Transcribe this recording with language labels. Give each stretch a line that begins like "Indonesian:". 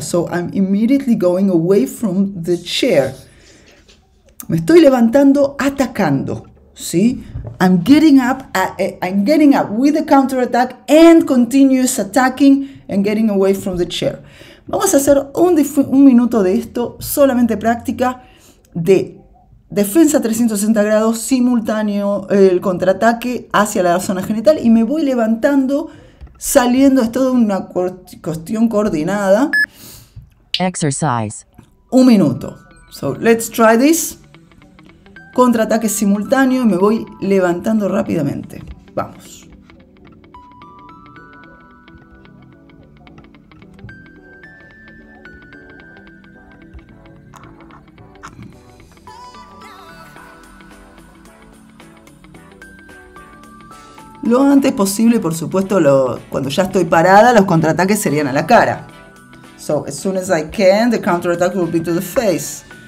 English: So I'm immediately going away from the chair.
Spanish: Me estoy levantando atacando. ¿Sí?
English: I'm getting up with a counterattack and continuous attacking and getting away from the chair.
Spanish: Vamos a hacer un minuto de esto, solamente práctica de defensa 360 grados simultáneo, el contraataque hacia la zona genital y me voy levantando, saliendo, es toda una cuestión coordinada.
English: Exercise.
Spanish: Un minuto.
English: So, let's try this.
Spanish: Contraataque simultáneo y me voy levantando rápidamente. Vamos. Lo antes posible, por supuesto, cuando ya estoy parada, los contraataques serían a la cara.
English: So, as soon as I can, the counterattack will be to the face.